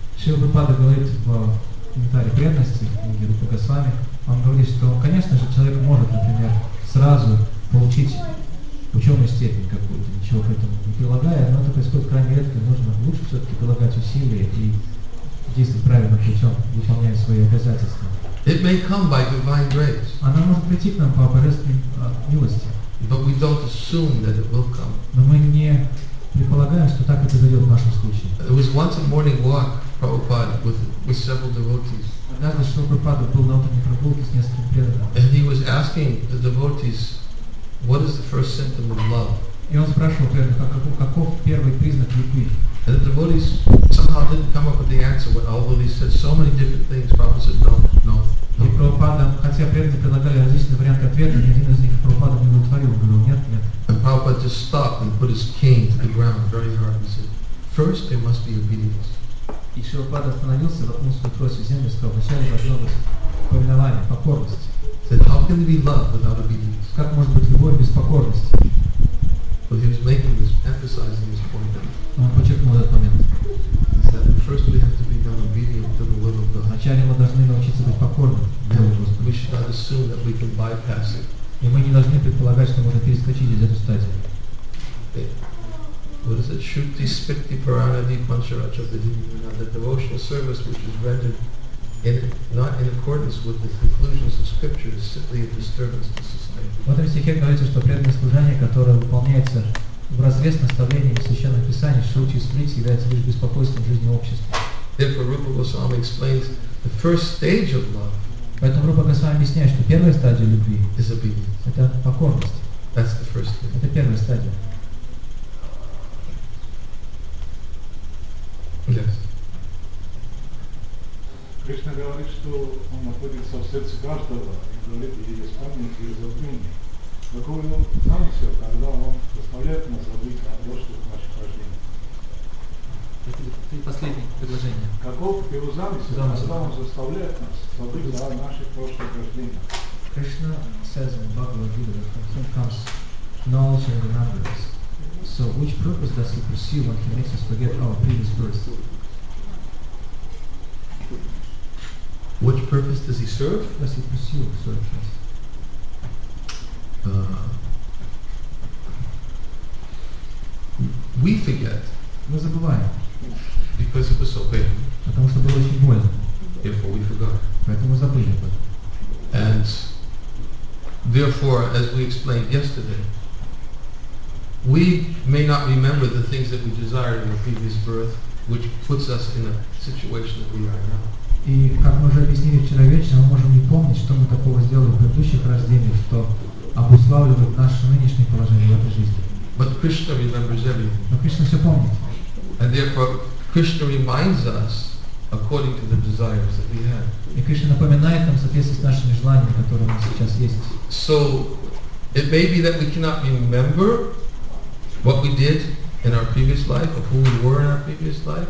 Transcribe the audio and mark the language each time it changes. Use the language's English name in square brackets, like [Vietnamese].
[Russian] Шрила Прабхупада говорит в комментарии преданности книги Рупа Госвами, он говорит, что, конечно же, человек может, например, сразу получить ученую степень какую-то, ничего к этому не прилагая, но это происходит крайне редко, нужно лучше все-таки прилагать усилия и действовать правильным путем, выполняя свои обязательства. [English] It may come by divine grace. [Russian] Она может прийти к нам по божественной милости. [English] But we don't assume that it will come. [Russian] Но мы не предполагаем, что так это зайдет в нашем случае. [English] It was once a morning walk, Prabhupada, with several devotees. [Russian] Однажды Шрила Прабхупада был на утренней прогулке с несколькими преданными. [English] And he was asking the devotees, what is the first symptom of love? [Russian] И он спрашивал преданных, каков первый признак любви? [English] And the devotees somehow didn't come up with the answer, although they said so many different things. Prabhupada said, no. [Russian] И Прабхупада, хотя преданные предлагали различные варианты ответа, ни один из них Прабхупада не удовлетворил, говорил, нет. [English] And Prabhupada just stopped and put his cane to the ground very hard and said, first there must be obedience. [Russian] И Шрилапада остановился, воткнул свою трость в землю и сказал, вначале должно быть повинование, покорность. [English] Said, how can there be love without obedience? [Russian] Как может быть любовь без покорности? [English] Well, he was making this, emphasizing this point. [Russian] Он подчеркнул этот момент. [English] He said, first we have to become obedient to the will of God. [Russian] Вначале мы должны научиться быть покорными. [English] We should not assume that we can bypass it. [Russian] И мы не должны предполагать, что можно перескочить из эту стадию. [English] What is it? [Sanskrit] Shuti spikti paranadi pancharacha vidhina. [English] The devotional service which is rendered not in accordance with the conclusions of scripture is simply a disturbance to society. [Russian] В этом стихе говорится, что преданное служение, которое выполняется в разрез с наставлениями священных писаний, шути спикти, является лишь беспокойством жизни общества. [English] Therefore, Rupa Goswami explains the first stage of love. [Russian] Поэтому Рупа Госвами объясняет, что первая стадия любви [English] is obedience. [Russian] Это покорность. [English] That's the first stage. [Russian] Это первая стадия. [English] Yes. [Russian] Krishna говорит, что он находится в сердце каждого, и говорит, и без памяти, и забвения. Какой он замысел, когда он заставляет нас забыть о прошлых наших рождениях? Это последнее предложение. Каков его замысел, когда он заставляет нас забыть о наших прошлых рождениях? [English] Krishna says in Bhagavad Gita that from him comes knowledge and remembrance. So which purpose does he pursue when he makes us forget our previous birth? Which purpose does he serve? Does he pursue, sir? Yes. We forget. [Russian] Мы забываем. [English] Because it was so painful. [Russian] Потому что было очень больно. [English] Therefore we forgot. [Russian] Поэтому мы забыли об этом. [English] And therefore, as we explained yesterday, we may not remember the things that we desired in our previous birth, which puts us in a situation that we are now. [Russian] И как мы уже объяснили вчера вечером, мы можем не помнить, что мы такого сделали в предыдущих рождениях, что обуславливает наше нынешнее положение в этой жизни. [English] But Krishna remembers everything. [Russian] Но Кришна все помнит. [English] And therefore, Krishna reminds us according to the desires that we have. [Russian] И Кришна напоминает нам в соответствии с нашими желаниями, которые у нас сейчас есть. [English] So it may be that we cannot remember what we did in our previous life, of who we were in our previous life.